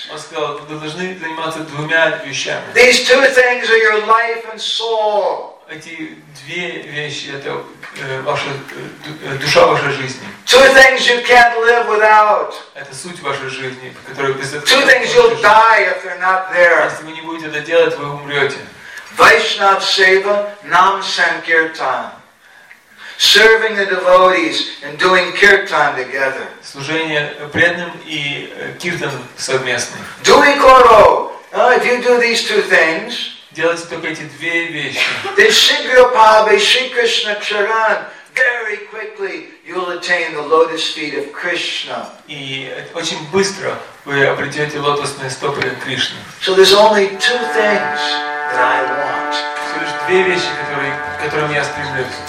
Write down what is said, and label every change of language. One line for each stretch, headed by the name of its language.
Russian: Вы должны заниматься двумя вещами.
English: These two things are your life and soul.
Russian: Эти две вещи — это ваша душа вашей жизни.
English: Two things you can't live without.
Russian: Это суть вашей жизни, которую без этого.
English: Two things you'll die if they're not there.
Russian: Если вы не будете это делать, вы умрете.
Bangla: Vaishnava seva nam sankirtan.
English: Serving the devotees and doing kirtan together.
Russian: Служение преданным и киртан совместно.
English: Doing koro. If you do these two things,
Russian: делать только эти две вещи. The Shikrapabe Shikrishna Charan.
English: Very quickly you will attain the lotus feet of Krishna.
Russian: И очень быстро вы обретете лотосные стопы Кришны.
English: So there's only two things that I want.
Russian: Две вещи, которым я стремлюсь.